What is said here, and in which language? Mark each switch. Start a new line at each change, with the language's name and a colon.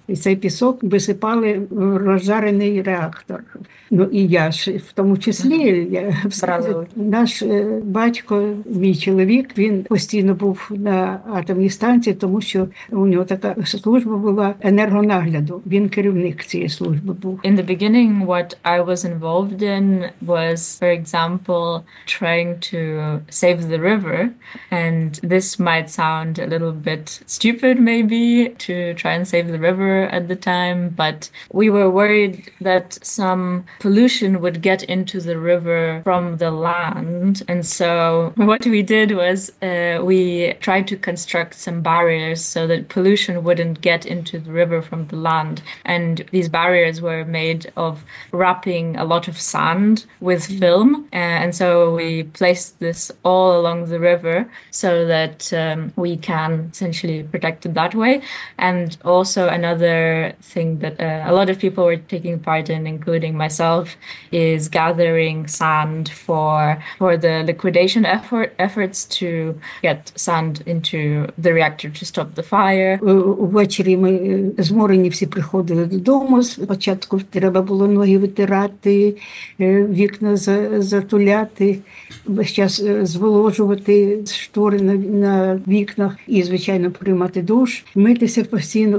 Ukrainian: І цей пісок висипали в розжарений реактор. Ну і я ж в тому числі. Наш батько, мій чоловік, він постійно був на атомній станції, тому що у нього така служба була енергонагляду. Він керівник цієї служби був.
English: In the beginning, what I was involved in was, for example, trying to save the river. And this might sound a little bit stupid, maybe, to try and save the river at the time, but we were worried that some pollution would get into the river from the land. And so what we did was we tried to construct some barriers so that pollution wouldn't get into the river from the land. And these barriers were made of wrapping a lot of sand with film. And so we placed this all along the river so that we can essentially protect it that way. And also another thing that a lot of people were taking part in, including myself, is gathering sand for the liquidation efforts to get sand into the reactor to stop the fire.
Ukrainian: Увечері ми зморені всі приходили додому. Спочатку треба було ноги витирати, вікна затуляти, весь час зволожувати штори на вікнах і, звичайно, приймати душ, митися постійно.